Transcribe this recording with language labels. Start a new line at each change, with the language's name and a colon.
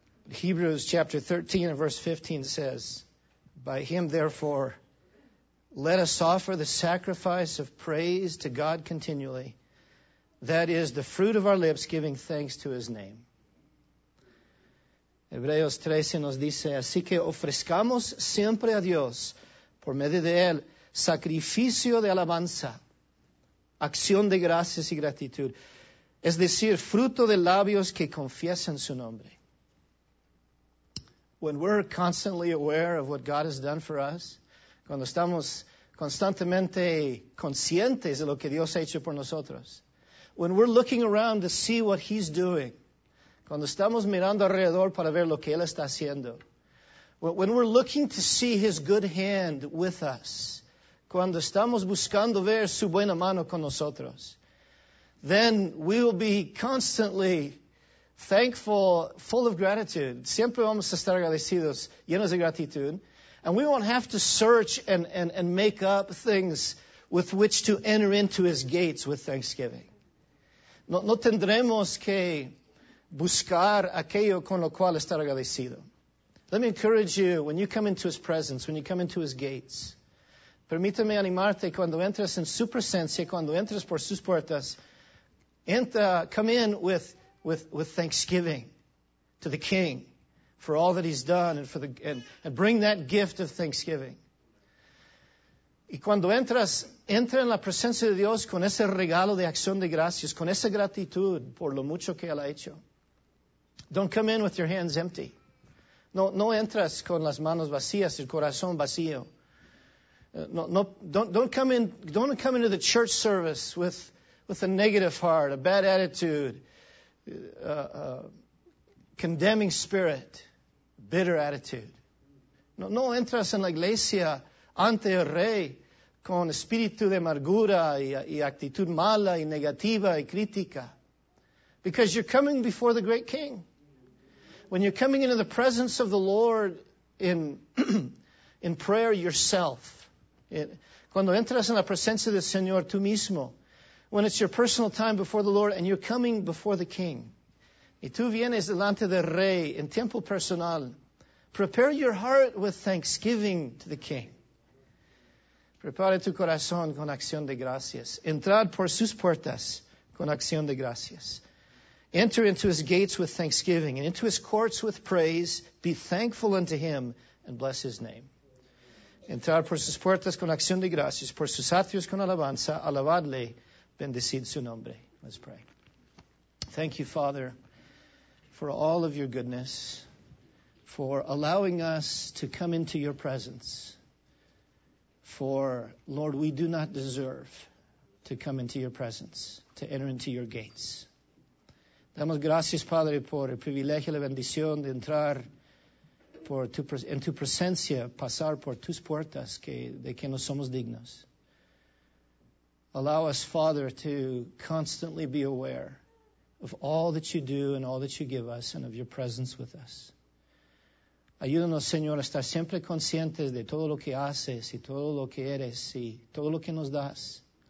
English: Hebrews chapter 13 and verse 15 says, by him therefore, let us offer the sacrifice of praise to God continually. That is the fruit of our lips, giving thanks to his name.
Spanish: Hebreos 13 nos dice, así que ofrezcamos siempre a Dios, por medio de él, sacrificio de alabanza, acción de gracias y gratitud. Es decir, fruto de labios que confiesan su nombre.
English: When we're constantly aware of what God has done for us,
Spanish: cuando estamos constantemente conscientes de lo que Dios ha hecho por nosotros,
English: when we're looking around to see what he's doing,
Spanish: cuando estamos mirando alrededor para ver lo que él está haciendo,
English: when we're looking to see his good hand with us,
Spanish: cuando estamos buscando ver su buena mano con nosotros,
English: then we will be constantly thankful, full of gratitude.
Spanish: Siempre vamos a estar agradecidos, llenos de gratitud.
English: And we won't have to search and make up things with which to enter into his gates with thanksgiving.
Spanish: No tendremos que buscar aquello con lo cual estar agradecido.
English: Let me encourage you, when you come into his presence, when you come into his gates,
Spanish: permítame animarte, cuando entres en su presencia, cuando entres por sus puertas,
English: come in with thanksgiving to the King. For all that he's done and bring that gift of thanksgiving.
Spanish: Y cuando entras, entra en la presencia de Dios con ese regalo de acción de gracias, con esa gratitud por lo mucho que él ha hecho.
English: Don't come in with your hands empty.
Spanish: No entras con las manos vacías, el corazón vacío.
English: Don't come into the church service with a negative heart, a bad attitude, condemning spirit. Bitter attitude.
Spanish: No entras en la iglesia ante el rey con espíritu de amargura y actitud mala y negativa y crítica.
English: Because you're coming before the great King. When you're coming into the presence of the Lord in prayer yourself.
Spanish: Cuando entras en la presencia del Señor tú mismo.
English: When it's your personal time before the Lord and you're coming before the King.
Spanish: Y tú vienes delante del rey en tiempo personal.
English: Prepare your heart with thanksgiving to the King.
Spanish: Prepare tu corazón con acción de gracias. Entrad por sus puertas con acción de gracias.
English: Enter into his gates with thanksgiving and into his courts with praise. Be thankful unto him and bless his name.
Spanish: Entrar por sus puertas con acción de gracias, por sus atrios con alabanza, alabadle, bendecid su nombre.
English: Let's pray. Thank you, Father, for all of your goodness, for allowing us to come into your presence. For, Lord, we do not deserve to come into your presence, to enter into your gates.
Spanish: Damos gracias, Padre, por el privilegio y la bendición de entrar por tu, en tu presencia, pasar por tus puertas que, de que no somos dignos.
English: Allow us, Father, to constantly be aware of all that you do and all that you give us and of your presence with us.
Spanish: Ayúdanos, Señor, a estar siempre conscientes de todo lo que haces y todo lo que eres y todo lo que nos das.